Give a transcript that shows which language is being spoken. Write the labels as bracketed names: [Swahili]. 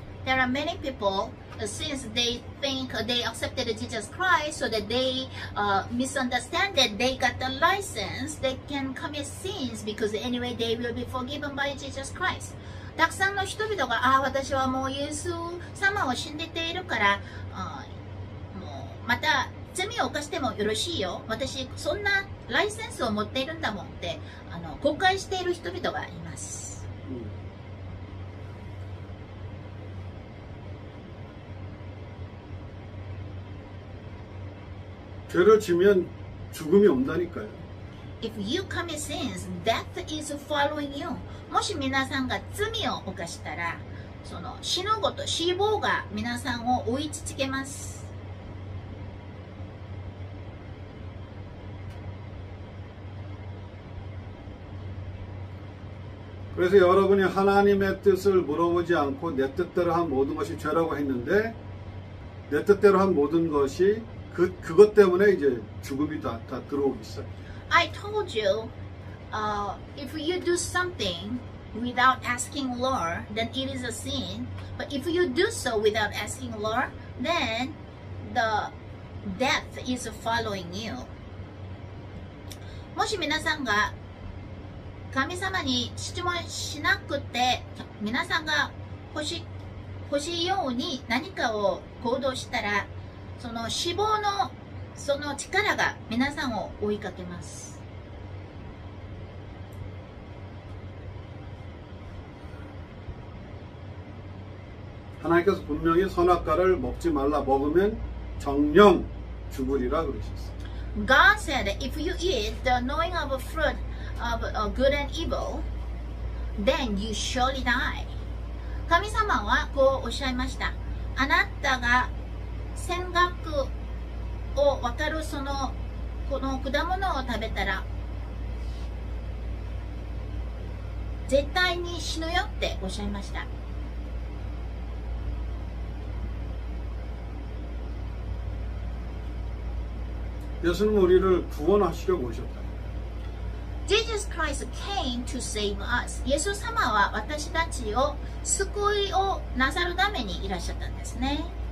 [English] There are many people since they think they accepted Jesus Christ so that they misunderstand that they got the license they can commit sins because anyway they will be forgiven by Jesus Christ. [Japanese] たくさんの人々が私はもうイエス様を信じているからもうまた罪を犯してもよろしいよ私そんなライセンスを持っているんだもんって誤解している人々がいます。 [Korean] 죄를지면죽음이온다니까요. [English] If you commit sins, death is following you. [Japanese] 모시皆さんが罪を犯したら、その死ぬこと、死亡が皆さんを追いつけます。 [Korean] 그래서여러분이하나님의뜻을물어보지않고내뜻대로한모든것이죄라고했는데내뜻대로한모든것이그것때문에이제죽음이다들어오고있어요. [English] I told you, if you do something without asking Lord, then it is a sin. But if you do so without asking Lord, then the death is following you. [Japanese] もし皆さんが神様に質問しなくて、皆さんが欲しいように何かを行動したら、その死亡のその力が皆さんを追いかけます。 [Korean] 하나님께서분명히선악과를먹지말라먹으면정령죽으리라그러셨어요. [English] God said, if you eat the knowing of a fruit of good and evil, then you surely die. [Japanese] 神様はこうおっしゃいました。あなたが尖閣を分かるそのこの果物を食べたら絶対に死ぬよっておっしゃいました。 [Korean] 예수님 우리를 구원하시려고 오셨다. [English] Jesus Christ came to save us. [Japanese] 예수 様は私たちを救いをなさるためにいらっしゃったんですね。